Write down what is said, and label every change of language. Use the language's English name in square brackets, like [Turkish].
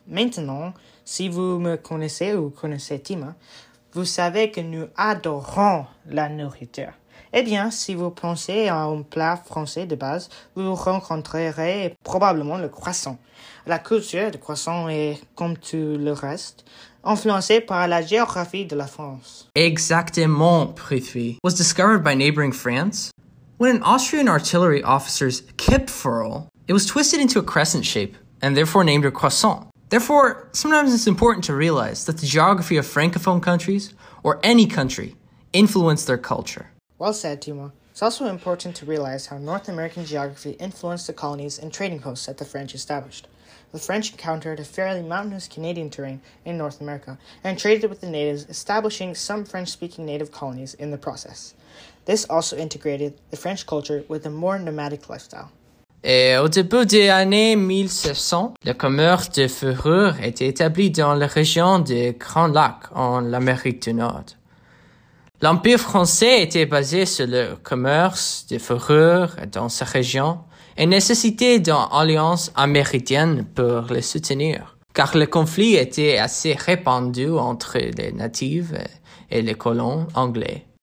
[French] Maintenant, si vous me connaissez ou connaissez Tima, vous savez que nous adorons la nourriture. Eh bien, si vous pensez à un plat français de base, vous rencontrerez probablement le croissant. La culture du croissant est, comme tout le reste, influencée par la géographie de la France. [English] Exactement, Prithvi. Was discovered by neighboring France? When an Austrian artillery officer's Kipferl, it was twisted into a crescent shape, and therefore named a croissant. Therefore, sometimes it's important to realize that the geography of Francophone countries, or any country, influence their culture. Well said, Timo. It's also important to realize how North American geography influenced the colonies and trading posts that the French established. The French encountered a fairly mountainous Canadian terrain in North America and traded with the natives, establishing some French-speaking native colonies in the process. This also integrated the French culture with a more nomadic lifestyle. [French] Et au début des années 1700, le commerce de fourrures était établi dans la région des Grands Lacs en Amérique du Nord. L'Empire français était basé sur le commerce des fourrures dans sa région et nécessitait une alliance américaine pour le soutenir, car le conflit était assez répandu entre les natives et les colons anglais.